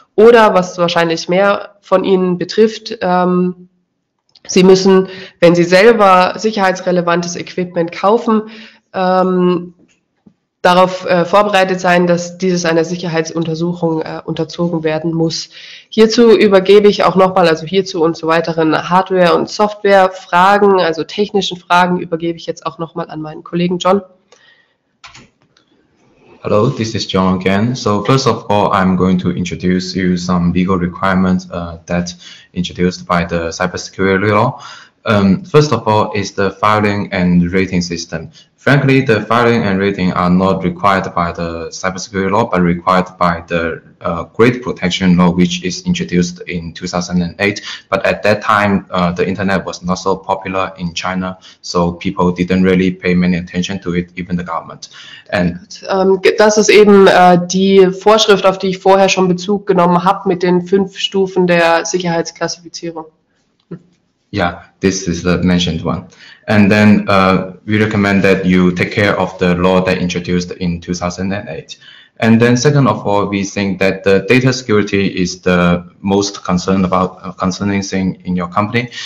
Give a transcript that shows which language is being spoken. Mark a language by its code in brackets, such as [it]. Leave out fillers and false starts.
[de] Oder, was wahrscheinlich mehr von Ihnen betrifft, Sie müssen, wenn Sie selber sicherheitsrelevantes Equipment kaufen, darauf vorbereitet sein, dass dieses einer Sicherheitsuntersuchung unterzogen werden muss. Hierzu übergebe ich auch nochmal, also hierzu und zu weiteren Hardware- und Software-Fragen, also technischen Fragen, übergebe ich jetzt auch nochmal an meinen Kollegen John. [en] Hello, this is John again. So first of all, I'm going to introduce you some legal requirements that introduced by the cybersecurity law. First of all, is the filing and rating system. Frankly, the filing and rating are not required by the cybersecurity law, but required by the Great Protection Law, which is introduced in 2008. But at that time, the internet was not so popular in China, so people didn't really pay many attention to it, even the government. [de] And das ist eben die Vorschrift, auf die ich vorher schon Bezug genommen habe, mit den 5 Stufen der Sicherheitsklassifizierung. [en] Yeah, this is the mentioned one. And then we recommend that you take care of the law that introduced in 2008. And then second of all, we think that the data security is the most concerning thing in your company.